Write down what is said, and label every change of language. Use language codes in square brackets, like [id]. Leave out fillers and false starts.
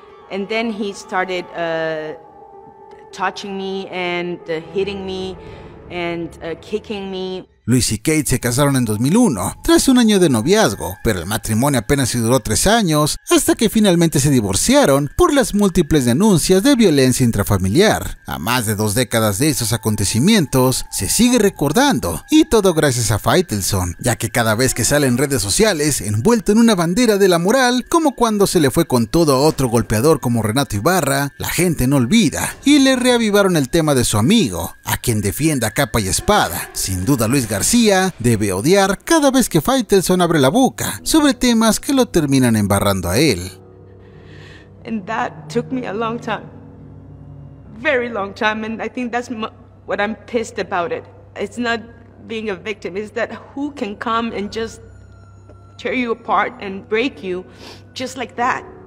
[en] And then he started touching me and hitting me and kicking me. [es] Luis y Kate se casaron en 2001, tras un año de noviazgo, pero el matrimonio apenas duró 3 años, hasta que finalmente se divorciaron por las múltiples denuncias de violencia intrafamiliar. A más de 2 décadas de esos acontecimientos, se sigue recordando, y todo gracias a Faitelson, ya que cada vez que sale en redes sociales, envuelto en una bandera de la moral, como cuando se le fue con todo a otro golpeador como Renato Ibarra, la gente no olvida, y le reavivaron el tema de su amigo, a quien defiende a capa y espada. Sin duda Luis García debe odiar cada vez que Faitelson abre la boca sobre temas que lo terminan embarrando a él. [en] And that took me a long time. Very long time, and I think that's what I'm pissed about it. It's not being a victim, it's that who can come and just tear you apart and break you just like that.